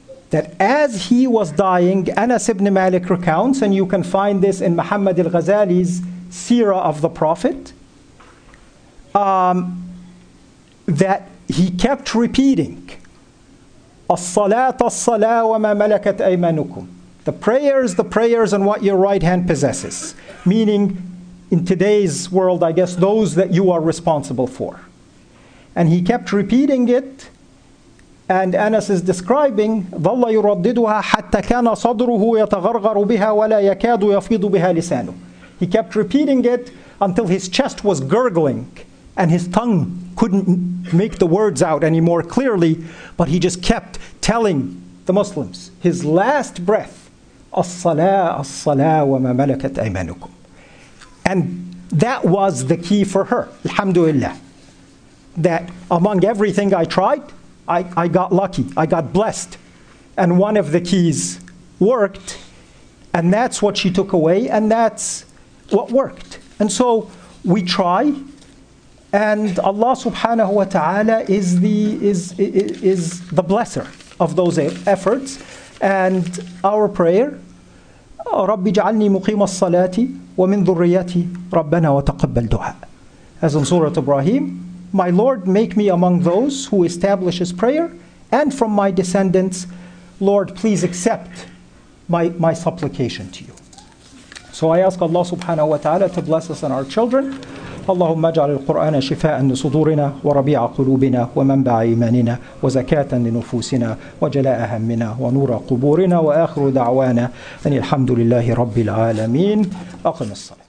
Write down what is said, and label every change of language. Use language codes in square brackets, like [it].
[en] That as he was dying," Anas ibn Malik recounts, and you can find this in Muhammad al-Ghazali's Sirah of the Prophet, that he kept repeating, [ar] "As-salat, as-salat, wa ma malakat aymanukum." [en] The prayers, and what your right hand possesses. Meaning, in today's world, I guess, those that you are responsible for. [ar] And he kept repeating it, and Anas is describing, ظَلَّ يُرَدِّدُهَا حَتَّى كَانَ صَدْرُهُ يَتَغَرْغَرُ بِهَا وَلَا يَكَادُ يَفِيضُ بِهَا لِسَانُ. [en] He kept repeating it until his chest was gurgling and his tongue couldn't make the words out any more clearly, but he just kept telling the Muslims his last breath, [ar] "As-salah, as-salah, wa ma malakat aymanukum." [en] And that was the key for her, alhamdulillah, that among everything I tried, I got lucky, I got blessed, and one of the keys worked, and that's what she took away, and that's what worked. And so we try, and Allah subhanahu wa ta'ala is the blesser of those efforts. [ar] And our prayer, رَبِّ جَعَلْنِي مُقِيمَ الصَّلَاةِ وَمِنْ ذُرِّيَّتِي رَبَّنَا وَتَقَبَّلْ دُعَى. [en] As in Surah Ibrahim, my Lord, make me among those who establishes prayer, and from my descendants, Lord, please accept my supplication to you. So I ask Allah subhanahu wa ta'ala to bless us and our children. [ar] اللهم اجعل القرآن شفاء لصدورنا وربيع قلوبنا ومنبع إيماننا وزكاة لنفوسنا وجلاء همنا ونور قبورنا وآخر دعوانا أن الحمد لله رب العالمين. أقم الصلاة.